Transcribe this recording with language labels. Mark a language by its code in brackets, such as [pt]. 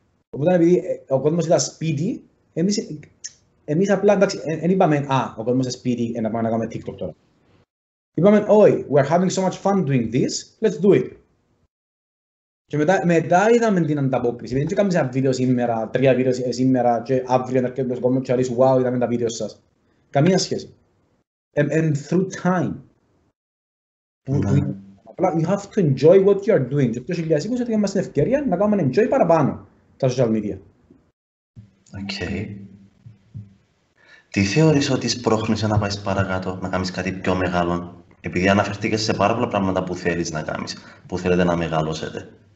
[el] Οπότε επειδή ο κόσμος ήταν σπίτι, εμείς απλά εντάξει, δεν είπαμε «Α, ο κόσμος είναι σπίτι, να πάμε να κάνουμε TikTok τώρα». Είπαμε [en] «Oi, we're having so much fun doing this, let's do it». [el] Και μετά είδαμε την ανταπόκριση. Δεν κάνουμε ένα βίντεο σήμερα, τρία βίντεο σήμερα και αύριο να έρχεται το κόμμα και αρέσει «Wow, είδαμε τα βίντεο σας». Καμία σχέση. [en] And through time. [el] Απλά, [en] you have to enjoy what you are doing. [el] Και το 2020 έτσι είμαστε στην ευκαιρία να κάνουμε enjoy παραπάνω τα social media. Οκ. Τι θεωρείς ότι σπρώχνεις να πάει παρακάτω, να κάνεις κάτι πιο μεγάλο, επειδή αναφερθήκες σε πάρα πολλά πράγματα που θέλεις να κάνεις, που θέλετε να μεγαλώσετε.